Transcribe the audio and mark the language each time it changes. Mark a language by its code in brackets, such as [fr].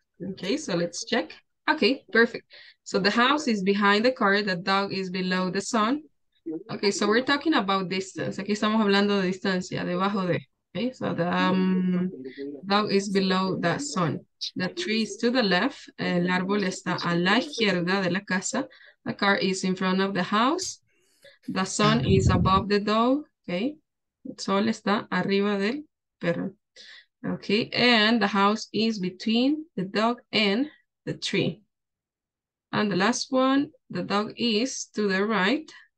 [en] Okay, so let's check. Okay, perfect. So the house is behind the car, the dog is below the sun. Okay, so we're talking about distance. [es] Aquí estamos hablando de distancia, debajo de. [en] Okay, so the dog is below the sun. The tree is to the left. [es] El árbol está a la izquierda de la casa. [en] The car is in front of the house. The sun is above the dog. [es] Okay, el sol está arriba del perro. [en] Okay, and the house is between the dog and the tree. And the last one, the dog is to the right.